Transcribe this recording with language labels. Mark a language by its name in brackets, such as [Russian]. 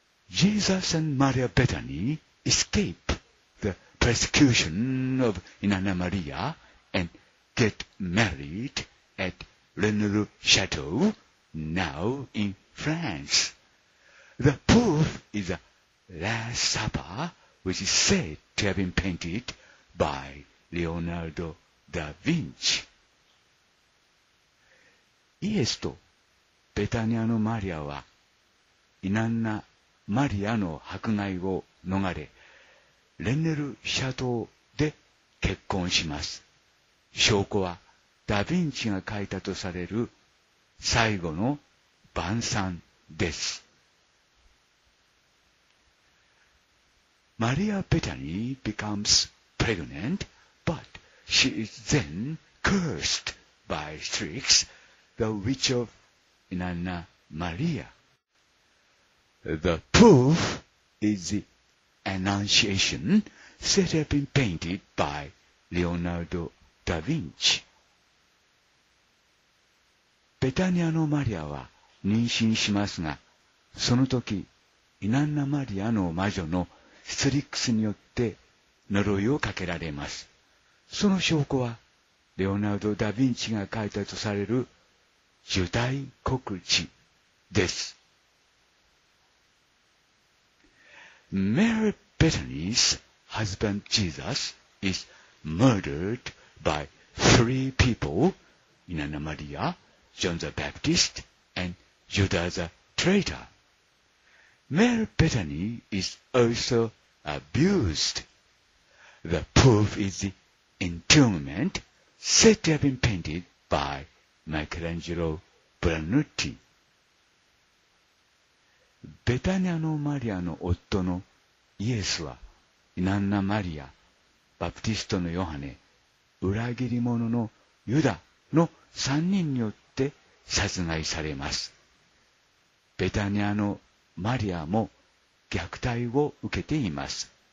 [English] Jesus and Maria Bethany escape the persecution of Inanna Maria and get married at Renelu Chateau, now in France. The proof is the Last Supper, which is said to have been painted by Leonardo da Vinci. [Japanese] イエスとベタニアのマリアはイナンナ・マリアの迫害を逃れレンネル・シャトーで結婚します。証拠はダ・ヴィンチが書いたとされる最後の晩餐です。 [English] Maria Bethany becomes pregnant, but she is then cursed by Strix, the witch of Nanna Maria. The proof is the Annunciation set up and painted by Leonardo da Vinci. [Japanese] Bethania のマリアは妊娠しますが、その時、イナンナ・マリアの魔女のストリックスによって呪いをかけられます。その証拠は、レオナルド・ダ・ヴィンチが書いたとされる受胎告知です。 [English] Mary Bethany's husband Jesus is murdered by three people, イナンナ・マリア、John the Baptist, and Judas the Traitor. Mary Bethany is also abused. The proof is the entombment said to have been painted by Michelangelo Brunetti. [Japanese] ベタニアのマリアの夫のイエスは、イナンナ・マリア、バプティストのヨハネ、裏切り者のユダの3人によって殺害されます。ベタニアのマリアも虐待を受けています。